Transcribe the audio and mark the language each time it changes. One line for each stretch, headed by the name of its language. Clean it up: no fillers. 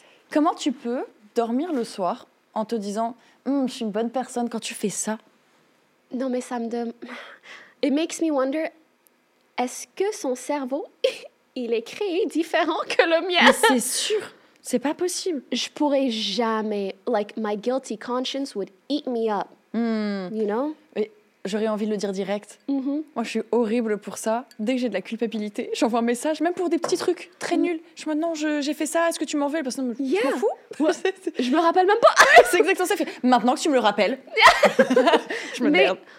French: Comment tu peux dormir le soir en te disant « je suis une bonne personne » quand tu fais ça. Non, mais ça me demande...
English: It makes me wonder,
French: est-ce que son cerveau, il est créé différent que le mien? Mais c'est sûr, c'est pas possible. Je pourrais jamais...
English: Like, my guilty conscience would eat me up. You know?
French: Mais j'aurais envie de le dire direct. Moi, je suis horrible pour ça. Dès que j'ai de la culpabilité, j'envoie un message, même pour des petits trucs très nuls. Je me dis, non, j'ai fait ça, est-ce que tu m'en veux? Personne je m'en fous. Ouais. Je me rappelle même pas. C'est exactement ça. Maintenant que tu me le rappelles, je me merde.